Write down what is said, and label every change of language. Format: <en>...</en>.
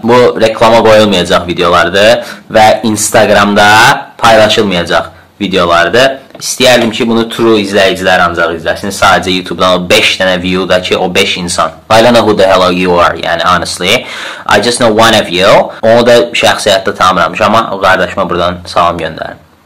<az>Bu reklama qoyulmayacaq videolardır və Instagramda paylaşılmayacaq videolardır. İstəyərdim ki, bunu true izləyicilər ancaq izləsin. Sadəcə YouTube-dan o 5 dənə view-dakı o 5 insan.</az> <en>I don't know who the hell you are, yəni, honestly. I just know one of you.</en> <az>Onu da şəxsiyyətdə tanımıramış, amma o qardaşıma buradan salam göndərim.</az>